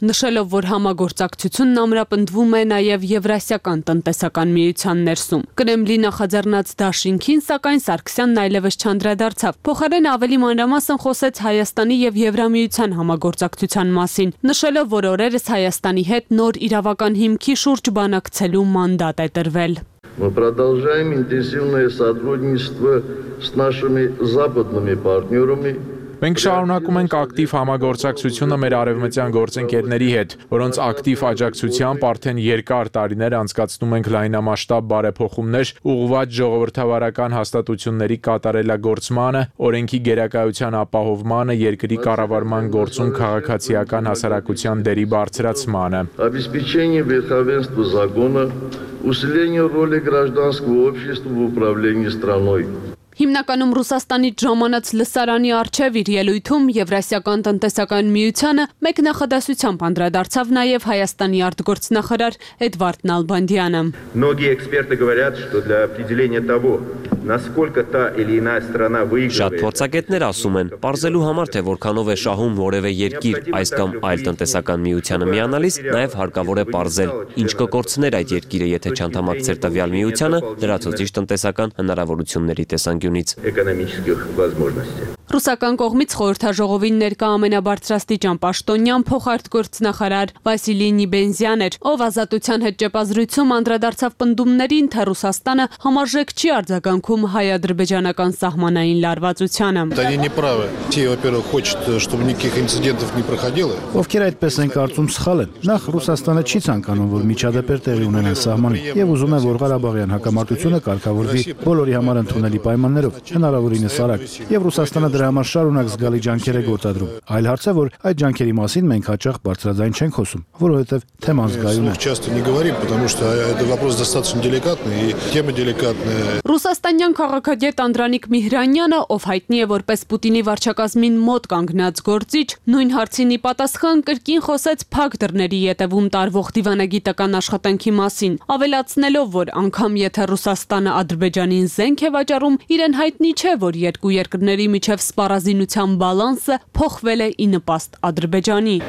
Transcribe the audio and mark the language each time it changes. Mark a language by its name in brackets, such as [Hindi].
[Armenian] նշելով, որ համագործակցությունն ամրապնդվում է նաև Եվրասիական տնտեսական միության ներսում։ Կրեմլին նախաձեռնած դաշինքին, սակայն Սարգսյանն այլևս չանդրադարձավ։ Փոխարեն ավելի մանրամասն խոսեց Հայաստանի և Եվրամիության համագործակցության մասին, նշելով, որ օրերս Հայաստանի հետ նոր իրավական հիմքի շուրջ բանակցելու մանդատ է տրվել։ [Russian] Мы продолжаем интенсивное сотрудничество с нашими западными партнерами. [Armenian] Մենք շարունակում ենք ակտիվ համագործակցությունը մեր արևմտյան գործընկերների հետ, որոնց ակտիվ աջակցությամբ արդեն երկար տարիներ անցկացնում ենք լայնամասշտաբ բարեփոխումներ՝ ուղղված ժողովրդավարական հաստատությունների կատարելագործմանը, օրենքի գերակայության ապահովմանը, երկրի կառավարման գործում քաղաքացիական հասարակության դերի բարձրացմանը։ [Russian] Обеспечение верховенства закона, усиление роли гражданского общества в управлении страной. [Armenian] Հիմնականում Ռուսաստանից ժամանած լսարանի առջև իր ելույթում Եվրասիական տնտեսական միությանը մեկ նախադասությամբ անդրադարձավ նաև Հայաստանի արտգործնախարար Էդվարդ Նալբանդյանը։ [Russian] Многие эксперты говорят, что для определения того, насколько та или иная страна выигрывает, [Armenian] շատ փորձագետներ ասում են, պարզելու համար, թե որքանով է շահում որևէ երկիր այս կամ այլ տնտեսական միությանը միանալիս, նաև հարկավոր է պարզել, ինչ կկործներ այդ երկիրը, եթե չանդամակցեր տվյալ միությանը լրացուցիչ տնտեսական հնարավորությունների տեսանկյունից։ Ռուսական կողմից խորհրդաժողովին ներկա ամենաբարձրաստիճան պաշտոնյան փոխարտգործնախարար Վասիլի Նիբենզյան էր, ով ազատության հետ ճեպազրույցում անդրադարձավ պնդումներին, թե Ռուսաստանը համարժեք չի արձագանքում հայ-ադրբեջանական սահմանային լարվածությանը։ Դա [Russian] не право. Те, во-первых, хочет, чтобы никаких инцидентов не проходило. [Armenian] Ովքեր այդպես են կարծում սխալ են։ Նախ Ռուսաստանը չի ցանկանում, որ միջադեպեր տեղի ունենան սահմանին եւ ուզում է, որ Ղարաբաղյան հակամարտությունը կարգավորվի բոլորի համար ընդունելի պայմաններով, հնարավորինս արագ, եւ Ռուսաստանը դրա համար շարունակ զգալի ջանքեր է գործադրում։ Այլ հարց է, որ այդ ջանքերի մասին մենք հաճախ բարձրաձայն չենք խոսում, որովհետեւ թեման զգայուն է։ [Russian] Часто не говорим, потому что это вопрос достаточно деликатный и тема деликатная։ [Armenian] Ռուսաստանյան քաղաքագետ Անդրանիկ Միհրանյանը, ով հայտնի է որպես Պուտինի վարչակազմին մոտ կանգնած գործիչ, նույն հարցին ի պատասխան կրկին խոսեց փակ դռների ետևում տարվող դիվանագիտական աշխատանքի մասին, ավելացնելով, որ անգամ եթե Ռուսաստանը Ադրբեջանին զենք է վաճառում, իրեն հայտնի չէ, որ երկու երկրների միջև սպառազինության բալանսը փոխվել է ի նպաստ Ադրբեջանի։